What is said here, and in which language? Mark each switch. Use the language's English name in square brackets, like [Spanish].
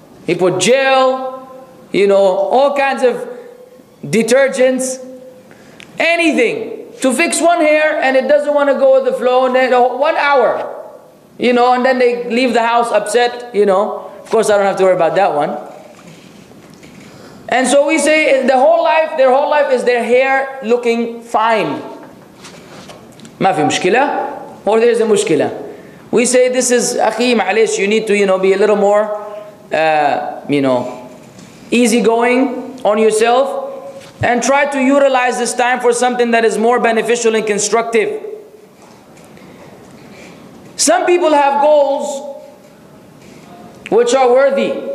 [English] He put gel, you know, all kinds of detergents, anything to fix one hair, and it doesn't want to go with the flow. And then 1 hour, you know, and then they leave the house upset, you know. Of course, I don't have to worry about that one. And so we say the whole life, their whole life is their hair looking fine. [Arabic] ما في مشكلة, [English] or there's a [Arabic] مشكلة. [English] We say this is [Arabic] أخي معلش, [English] you need to, you know, be a little more, you know, easygoing on yourself, and try to utilize this time for something that is more beneficial and constructive. Some people have goals which are worthy.